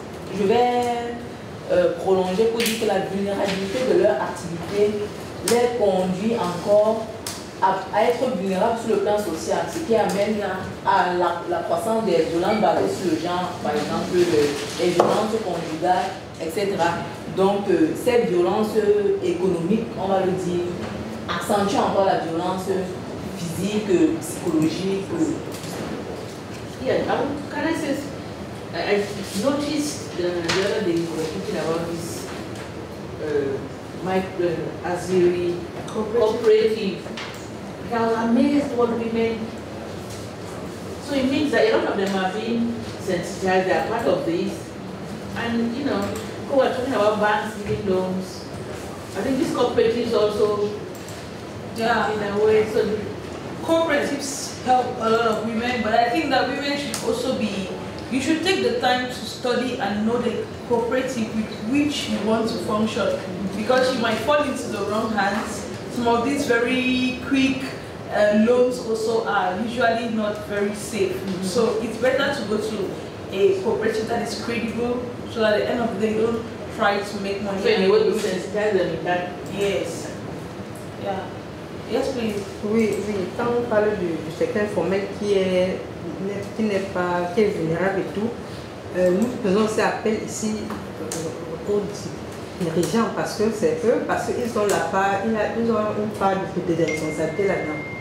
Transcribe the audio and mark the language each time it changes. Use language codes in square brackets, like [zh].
[fr] Je vais prolonger pour dire que la vulnérabilité de leur activité les conduit encore à être vulnérable sur le plan social, ce qui amène à la croissance des violences basées sur le genre, par exemple les violences conjugales, etc. Donc cette violence économique, on va le dire, accentue encore la violence physique, psychologique. [en] Yeah, can I notice the other thing about this Azuri cooperative. I was amazed what women. So it means that a lot of them have been sensitized, they are part of this. And you know, people were talking about banks giving loans. I think these cooperatives also, in a way. So cooperatives help a lot of women, but I think that women should also be. You should take the time to study and know the cooperative with which you want to function, because you might fall into the wrong hands. Some of these very quick loans also are usually not very safe. Mm-hmm. So it's better to go to a cooperative that is credible, so that at the end of the day, you don't try to make money. So you want to sensitize them in that? Yes. Yes, please. [fr] Oui, oui. Quand on parle du secteur informel qui est vulnérable et tout, nous faisons aussi appel ici aux dirigeants parce que c'est eux, parce qu'ils ont une part de responsabilité là-dedans.